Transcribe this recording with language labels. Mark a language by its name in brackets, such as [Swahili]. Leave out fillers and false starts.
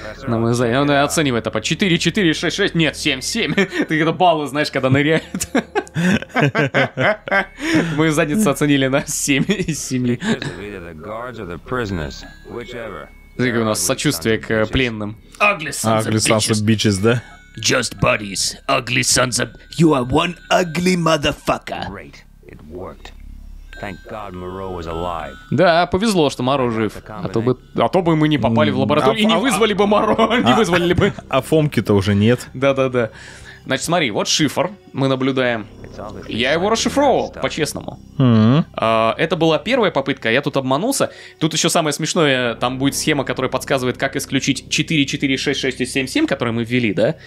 [Russian] Он оценивает, типа, 4, 4, 6, 6, нет, 7, 7. Ты это баллы знаешь, когда ныряют. Мы задницу оценили на 7 из 7. Смотри, у нас сочувствие к пленным. [English] Ugly sons of bitches, [Russian] да? [English] Just buddies, ugly sons of... You are one ugly motherfucker. Great, it worked. Thank God Moreau was alive. [Russian] Да, повезло, что Моро жив. А то бы мы не попали в лабораторию и не вызвали бы Моро. Не вызвали ли бы. А Фомки-то уже нет. Да-да-да. Значит, смотри, вот шифр мы наблюдаем. Я его расшифровал, по-честному. Это была первая попытка, я тут обманулся. Тут еще самое смешное, там будет схема, которая подсказывает, как исключить 4, 4, 6, 6 и 7, 7, которые мы ввели, да?